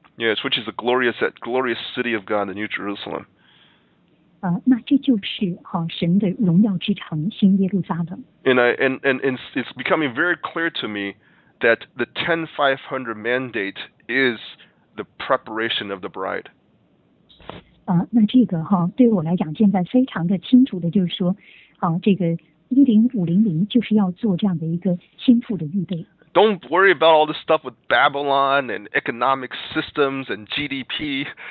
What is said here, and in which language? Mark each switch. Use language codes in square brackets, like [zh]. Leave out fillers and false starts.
[en] Yes, which is the glorious city of God, the New Jerusalem. [zh] 那这就是神的荣耀之城新耶路撒冷。 [en] And it's becoming very clear to me that the 10500 mandate is the preparation of the bride. [zh] 那这个对我来讲现在非常的清楚的就是说这个10500就是要做这样的一个新妇的预备。 [en] Don't worry about all the stuff with Babylon and economic systems and GDP.